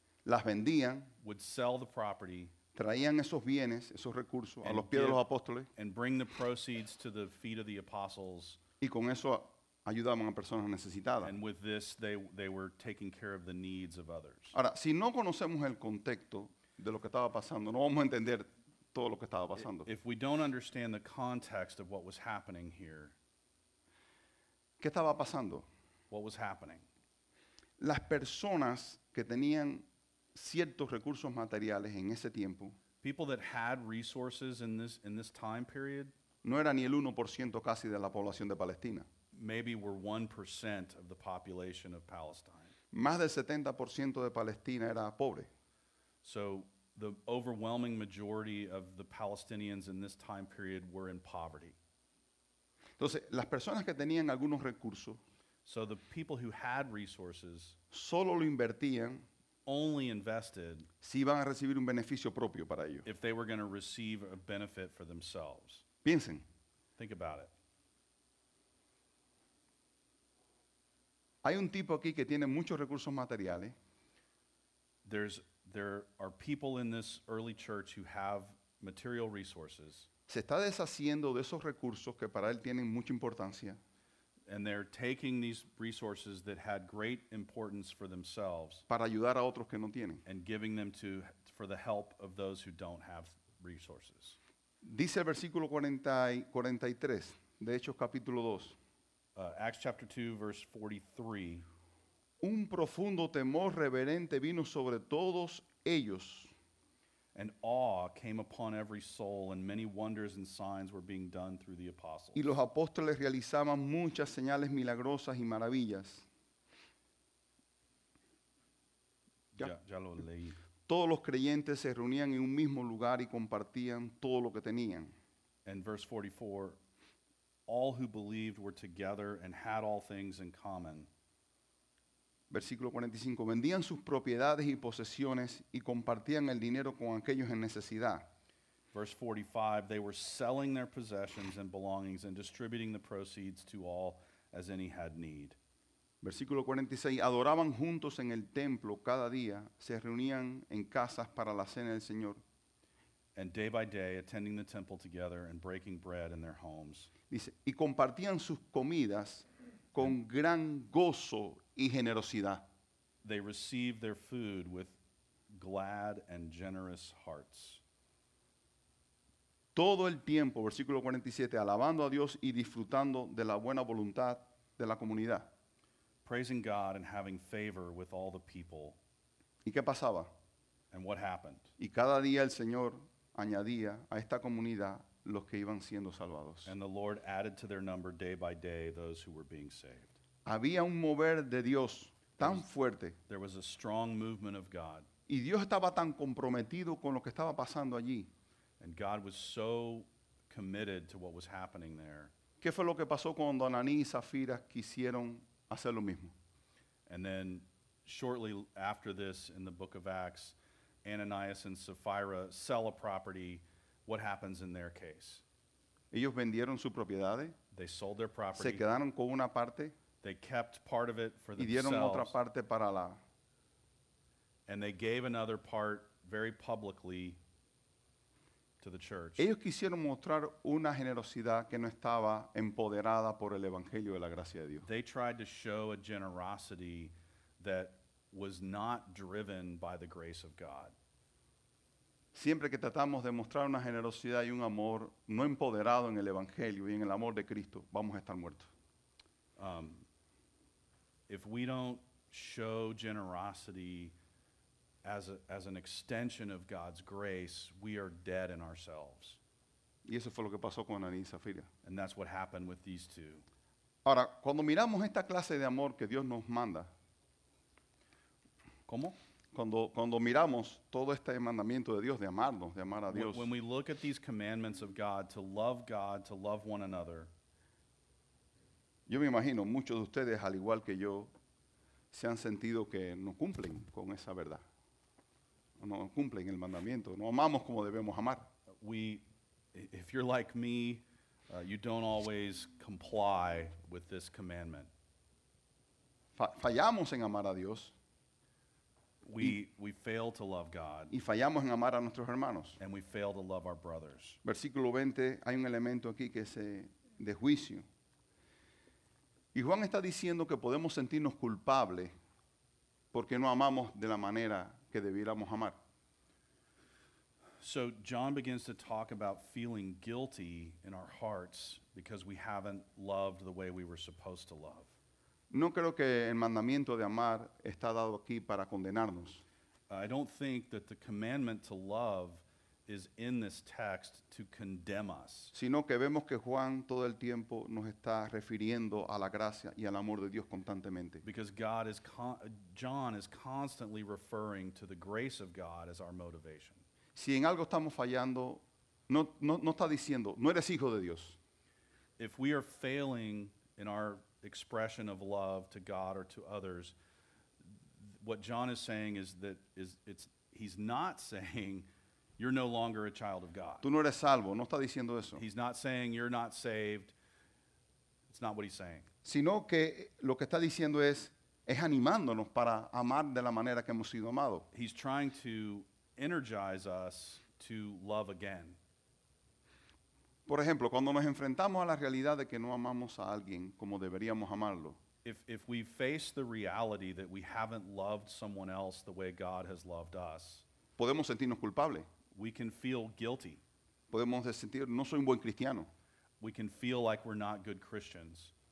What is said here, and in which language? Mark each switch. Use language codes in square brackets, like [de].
[es] las vendían, [en] would sell the property, [es] traían esos bienes, esos recursos, a los pies de los apóstoles, [en] and bring the proceeds to the feet of the apostles, [es] y con eso ayudaban a personas necesitadas. [en] And with this, they were taking care of the needs of others. [es] Ahora, si no conocemos el contexto de lo que estaba pasando, no vamos a entender todo lo que estaba pasando. [en] If we don't understand the context of what was happening here, [es] ¿qué estaba pasando? [en] What was happening? [es] Las personas que tenían ciertos recursos materiales en ese tiempo, [en] people that had resources in this time period, [es] no era ni el 1% casi de la población de Palestina. [en] Maybe were 1% of the population of Palestine. [es] Más del 70% de Palestina era pobre. [en] So the overwhelming majority of the Palestinians in this time period were in poverty. [es] Entonces, las personas que tenían algunos recursos, [en] so the people who had resources, [es] solo lo invertían [en] only invested [es] si van a recibir un beneficio propio para ello. [en] If they were going to receive a benefit for themselves. [es] Piensen. [en] Think about it. [es] Hay un tipo aquí que tiene muchos recursos materiales. [en] There are people in this early church who have material resources. [es] Se está deshaciendo de esos recursos que para él tienen mucha importancia. [en] And they're taking these resources that had great importance for themselves. [es] Para ayudar a otros que no tienen. [en] And giving them to for the help of those who don't have resources. [es] Dice el versículo 43 de Hechos capítulo 2. [en] Acts chapter 2 verse 43. [es] Un profundo temor reverente vino sobre todos ellos. [en] And awe came upon every soul, and many wonders and signs were being done through the apostles. [es] Y los apóstoles realizaban muchas señales milagrosas y maravillas. Ya lo leí. Todos los creyentes se reunían en un mismo lugar y compartían todo lo que tenían. [en] And verse 44, all who believed were together and had all things in common. [es] Versículo 45, vendían sus propiedades y posesiones y compartían el dinero con aquellos en necesidad. [en] Verse 45, they were selling their possessions and belongings and distributing the proceeds to all as any had need. [es] Versículo 46, adoraban juntos en el templo cada día, se reunían en casas para la cena del Señor. [en] And day by day, attending the temple together and breaking bread in their homes. [es] Dice, y compartían sus comidas con gran gozo y generosidad. [en] They received their food with glad and generous hearts. [es] Todo el tiempo, versículo 47, alabando a Dios y disfrutando de la buena voluntad de la comunidad. [en] Praising God and having favor with all the people. [es] ¿Y qué pasaba? [en] And what happened? [es] Y cada día el Señor añadía a esta comunidad los que iban siendo salvados. [en] And the Lord added to their number day by day those who were being saved. [es] Había un mover de Dios tan fuerte. [en] There was a strong movement of God. [es] Y Dios estaba tan comprometido con lo que estaba pasando allí. [en] And God was so committed to what was happening there. [es] ¿Qué fue lo que pasó cuando Ananías y Zafira quisieron hacer lo mismo? [en] And then shortly after this in the book of Acts, Ananias and Sapphira sell a property. What happens in their case? [es] Ellos vendieron sus propiedades. [en] They sold their property. [es] Se quedaron con una parte. [en] They kept part of it for [es] y [en] themselves. [es] Y dieron otra parte para la. [en] And they gave another part very publicly to the church. [es] Ellos quisieron mostrar una generosidad que no estaba empoderada por el evangelio de la gracia de Dios. [en] They tried to show a generosity that was not driven by the grace of God. [es] Siempre que tratamos de mostrar una generosidad y un amor no empoderado en el evangelio y en el amor de Cristo, vamos a estar muertos. [en] If we don't show generosity as an extension of God's grace, we are dead in ourselves. [es] Y eso fue lo que pasó con Ananías y Zafira. [en] And that's what happened with these two. [es] Ahora, cuando miramos esta clase de amor que Dios nos manda, ¿cómo? Cuando miramos todo este mandamiento de Dios, de amarnos, de amar a Dios. [en] When we look at these commandments of God, to love one another. [es] Yo me imagino muchos de ustedes, al igual que yo, se han sentido que no cumplen con esa verdad. No cumplen el mandamiento. No amamos como debemos amar. [en] If you're like me, you don't always comply with this commandment. [es] Fallamos en amar a Dios. [en] We fail to love God. [es] Y fallamos en amar a nuestros hermanos. [en] And we fail to love our brothers. [es] Versículo 20, hay un elemento aquí que es de juicio. Y Juan está diciendo que podemos sentirnos culpables porque no amamos de la manera que debiéramos amar. [en] So John begins to talk about feeling guilty in our hearts because we haven't loved the way we were supposed to love. [es] No creo que el mandamiento de amar está dado aquí para condenarnos. [en] I don't think that the commandment to love is in this text to condemn us. [es] Sino que vemos que Juan todo el tiempo nos está refiriendo a la gracia y al amor de Dios constantemente. [en] Because John is constantly referring to the grace of God as our motivation. [es] Si en algo estamos fallando, no está diciendo, no eres hijo de Dios. [en] If we are failing in our expression of love to God or to others, what John is saying is that he's not saying you're no longer a child of God. [es] Tú no eres salvo, no está diciendo eso. [en] He's not saying you're not saved. It's not what he's saying. [es] Sino que lo que está diciendo es animándonos para amar de la manera que hemos sido amado. [en] He's trying to energize us to love again. [es] Por ejemplo, cuando nos enfrentamos a la realidad de que no amamos a alguien como deberíamos amarlo. [en] If we face the reality that we haven't loved someone else the way God has loved us. [es] Podemos sentirnos culpables. [en] We can feel guilty. [es] Podemos sentir no soy un buen cristiano. [en] We can feel like we're not good Christians.